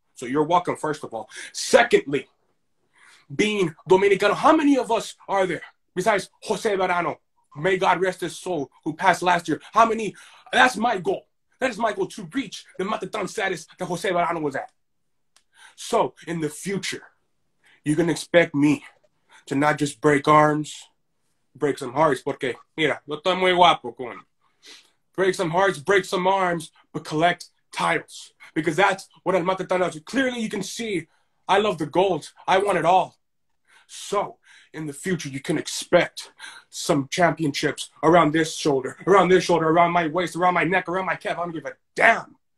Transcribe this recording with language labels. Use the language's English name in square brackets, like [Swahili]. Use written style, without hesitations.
[English] So you're welcome, first of all. Secondly, being Dominicano, how many of us are there besides Jose Verano? May God rest his soul, who passed last year. How many? That's my goal. That is my goal, to reach the Matatan status that Jose Verano was at. So in the future, you can expect me to not just break arms, break some hearts. [Spanish] Porque, mira, yo estoy muy guapo, coño. [English] Break some hearts, break some arms, but collect titles. Because that's what El Matatan does. Clearly, you can see, I love the gold. I want it all. So, in the future, you can expect some championships around this shoulder, around my waist, around my neck, around my calf. I don't give a damn.